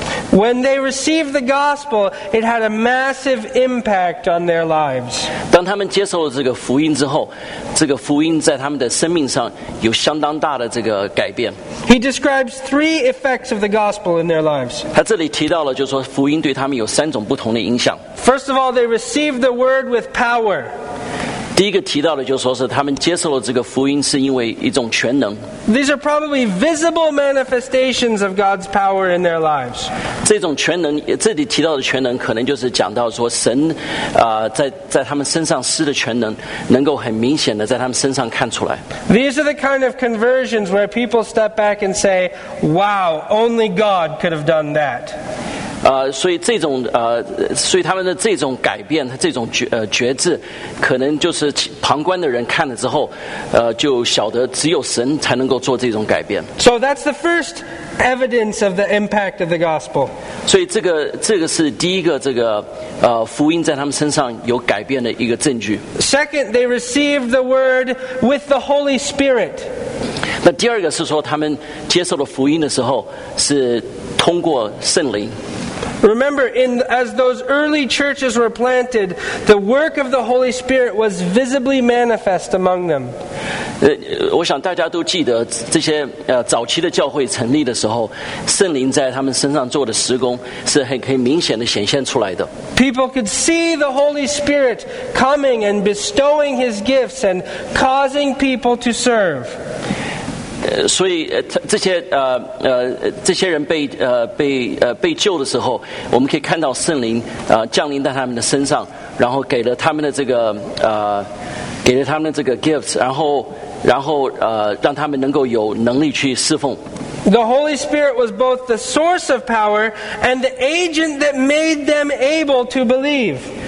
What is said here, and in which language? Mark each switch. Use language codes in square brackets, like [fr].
[en] When they received the gospel, it had a massive impact on their lives. [zh] 当他们接受了这个福音之后，这个福音在他们的生命上有相当大的这个改变。 [en] He describes three effects of the gospel in their lives. [zh] 他这里提到了，就是说福音对他们有三种不同的影响。 [en] First of all, they received the word with power. [zh] 第一个提到的就是说是他们接受了这个福音是因为一种全能。 [en] These are probably visible manifestations of God's power in their lives. [zh] 这种全能，这里提到的全能，可能就是讲到说神，在他们身上施的全能，能够很明显的在他们身上看出来。 [en] These are the kind of conversions where people step back and say, "Wow, only God could have done that." [zh] 所以他们的这种改变，这种觉知，可能就是旁观的人看了之后，就晓得只有神才能够做这种改变。 [en] So that's the first evidence of the impact of the gospel. [zh] 所以这个是第一个福音在他们身上有改变的一个证据。 [en] Second, they received the word with the Holy Spirit. [zh] 那第二个是说他们接受了福音的时候是通过圣灵。 [en] Remember, as those early churches were planted, the work of the Holy Spirit was visibly manifest among them. [zh] 我想大家都记得这些早期的教会成立的时候，圣灵在他们身上做的事工是很可以明显的显现出来的。 [en] People could see the Holy Spirit coming and bestowing His gifts and causing people to serve. [zh] 所以这些人被救的时候，我们可以看到圣灵降临在他们的身上，然后给了他们的gifts， 然后让他们能够有能力去侍奉。 [en] The Holy Spirit was both the source of power and the agent that made them able to believe.